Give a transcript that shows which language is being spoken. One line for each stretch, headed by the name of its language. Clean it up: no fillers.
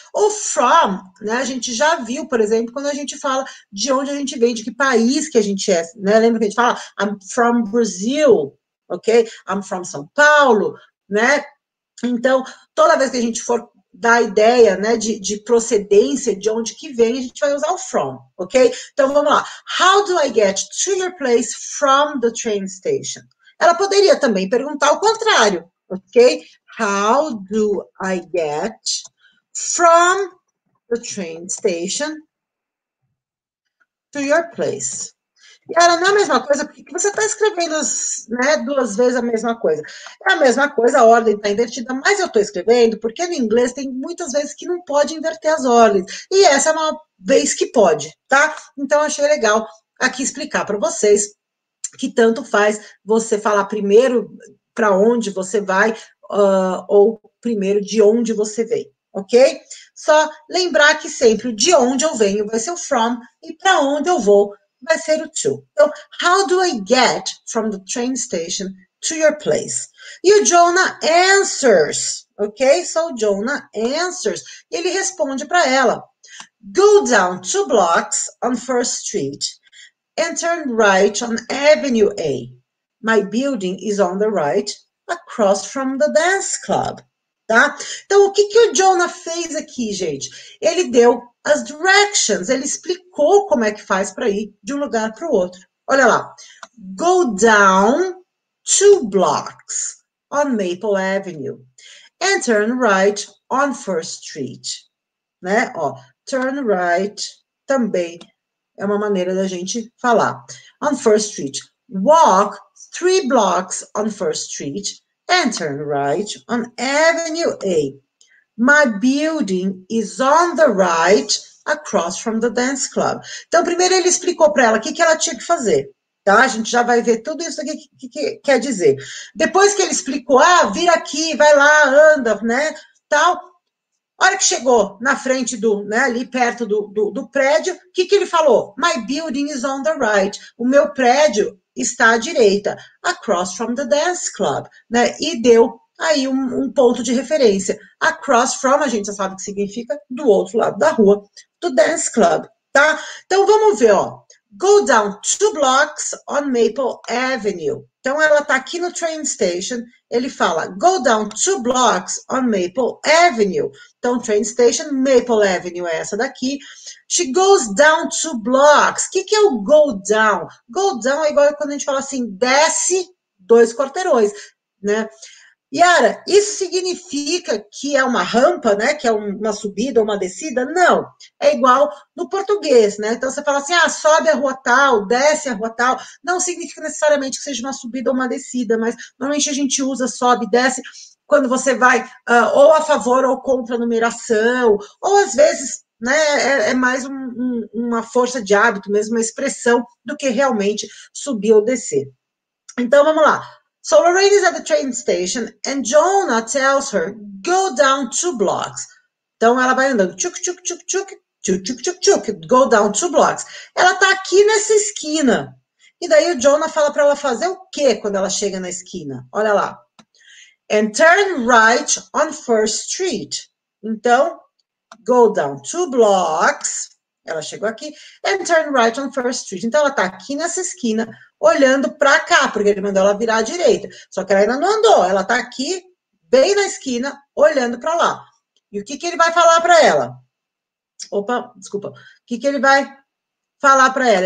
Portuguese: O from, né, a gente já viu, por exemplo, quando a gente fala de onde a gente vem, de que país que a gente é, né? Lembra que a gente fala
English: I'm from Brazil,
Portuguese: ok?
English: I'm from São Paulo,
Portuguese: né? Então, toda vez que a gente for, da ideia, né, de procedência, de onde que vem, a gente vai usar o from, ok? Então vamos lá.
English: How do I get to your place from the train station?
Portuguese: Ela poderia também perguntar o contrário, ok?
English: How do I get from the train station to your place?
Portuguese: E ela não é a mesma coisa, porque você está escrevendo, né, duas vezes a mesma coisa. É a mesma coisa, a ordem está invertida, mas eu estou escrevendo, porque no inglês tem muitas vezes que não pode inverter as ordens. E essa é uma vez que pode, tá? Então, achei legal aqui explicar para vocês que tanto faz você falar primeiro para onde você vai, ou primeiro de onde você vem, ok? Só lembrar que sempre de onde eu venho vai ser o from e para onde eu vou vai ser o to.
English: Então, how do I get from the train station to your place? E o Jonah answers, ok? So, Jonah answers.
Portuguese: Ele responde para ela.
English: Go down two blocks on First Street and turn right on Avenue A. My building is on the right, across from the dance club, tá?
Portuguese: Então, o que que o Jonah fez aqui, gente? Ele deu as directions, ele explicou como é que faz para ir de um lugar para o outro. Olha lá.
English: Go down two blocks on Maple Avenue and turn right on First Street, né?
Portuguese: Ó, turn right também é uma maneira da gente falar.
English: On First Street. Walk three blocks on First Street and turn right on Avenue A. My building is on the right, across from the dance club.
Portuguese: Então, primeiro ele explicou para ela o que que ela tinha que fazer, tá? A gente já vai ver tudo isso aqui que quer dizer. Depois que ele explicou, ah, vira aqui, vai lá, anda, né? Tal. Hora que chegou na frente do, né, ali perto do prédio, o que que ele falou?
English: My building is on the right.
Portuguese: O meu prédio está à direita,
English: across from the dance club,
Portuguese: né? E deu aí um ponto de referência. Across from, a gente já sabe o que significa, do outro lado da rua, do dance club, tá? Então vamos ver, ó.
English: Go down two blocks on Maple Avenue.
Portuguese: Então ela tá aqui no train station, ele fala,
English: go down two blocks on Maple Avenue.
Portuguese: Então train station, Maple Avenue é essa daqui.
English: She goes down two blocks.
Portuguese: O que que é o go down? Go down é igual quando a gente fala assim, desce dois quarteirões, né? Yara, isso significa que é uma rampa, né? Que é uma subida ou uma descida? Não, é igual no português, né? Então você fala assim, ah, sobe a rua tal, desce a rua tal. Não significa necessariamente que seja uma subida ou uma descida, mas normalmente a gente usa sobe, desce quando você vai ou a favor ou contra a numeração, ou às vezes, né? É mais uma força de hábito, mesmo uma expressão do que realmente subir ou descer. Então vamos lá.
English: So Lorraine is at the train station and Jonah tells her, go down two blocks.
Portuguese: Então ela vai andando, tchuc, tchuc, tchuc, tchuc, tchuc, tchuc, tchuc,
English: go down two blocks.
Portuguese: Ela tá aqui nessa esquina. E daí o Jonah fala para ela fazer o quê quando ela chega na esquina? Olha lá.
English: And turn right on First Street. Então, go down two blocks.
Portuguese: Ela chegou aqui.
English: And turn right on First Street.
Portuguese: Então ela tá aqui nessa esquina, olhando para cá, porque ele mandou ela virar à direita. Só que ela ainda não andou, ela tá aqui bem na esquina, olhando para lá. E o que que ele vai falar para ela? Opa, desculpa. O que que ele vai falar para ela?